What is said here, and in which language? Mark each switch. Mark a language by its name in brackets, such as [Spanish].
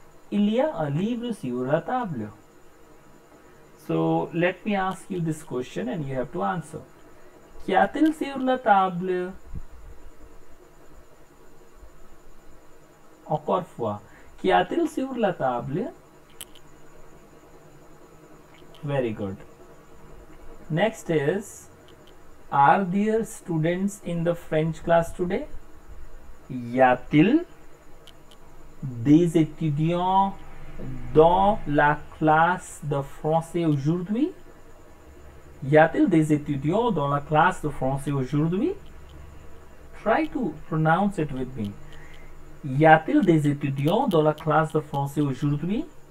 [French] Il y a un livre sur la table. [English] So, let me ask you this question and you have to answer. [French] Qu'y a-t-il sur la table? Encore fois. Qu'y a-t-il sur la table? [English] Very good. Next is, are there students in the French class today? [French] Y a-t-il des étudiants dans la classe de français aujourd'hui? Y a-t-il des étudiants dans la classe de français aujourd'hui? [English] Try to pronounce it with me. [French] Y a-t-il des étudiants dans la classe de français aujourd'hui?